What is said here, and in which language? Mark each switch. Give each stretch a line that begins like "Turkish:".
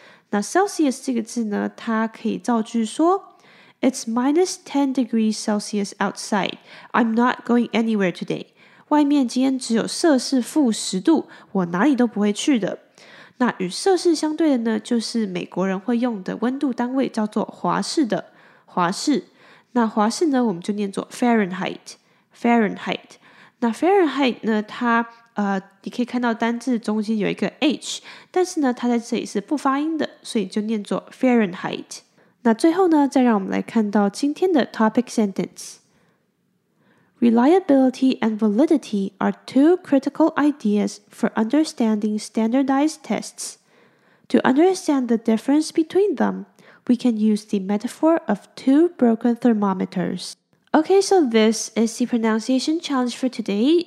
Chinese: 那 Celsius 这个字呢，它可以造句说
English: It's minus 10 degrees Celsius outside. I'm not going anywhere today.
Chinese: 外面今天只有摄氏负10度，我哪里都不会去的。那与摄氏相对的呢，就是美国人会用的温度单位，叫做华氏的华氏。那华氏呢，我们就念作 Fahrenheit。那 Fahrenheit 呢，它你可以看到单字中间有一个 H， 但是呢，它在这里是不发音的，所以就念作 Fahrenheit。那最后呢，再让我们来看到今天的 topic sentence。
English: Reliability and validity are two critical ideas for understanding standardized tests. To understand the difference between them, we can use the metaphor of two broken thermometers. Okay, so this is the pronunciation challenge for today.